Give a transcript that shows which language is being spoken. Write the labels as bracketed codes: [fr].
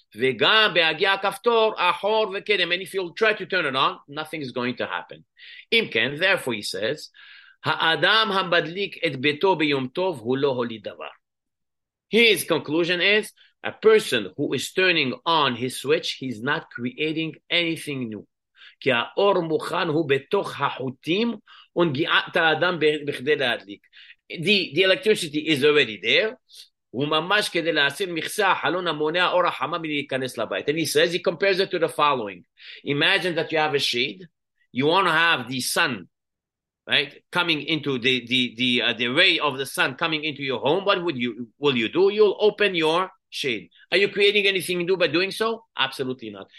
[he] Vegan be'agia kaftor achor v'kedem. [en] And if you'll try to turn it on, nothing is going to happen. [he] Imken, [en] therefore, he says, [he] ha'adam hamadlik et beto beyom tov hu lo holid davar. [en] His conclusion is a person who is turning on his switch, he's not creating anything new. [he] כי האור מוכן הוא בתוך החוטים ונגיעת האדם בכדי להדליק. [en] The electricity is already there. [he] הוא ממש כדי להסיר מכסה, החלון המונע אור החמה מלהיכנס לבית. [en] And he says, he compares it to the following. Imagine that you have a shade. You want to have the sun, right? Coming into the ray of the sun coming into your home. What will you do? You'll open your shade. Are you creating anything new by doing so? Absolutely not.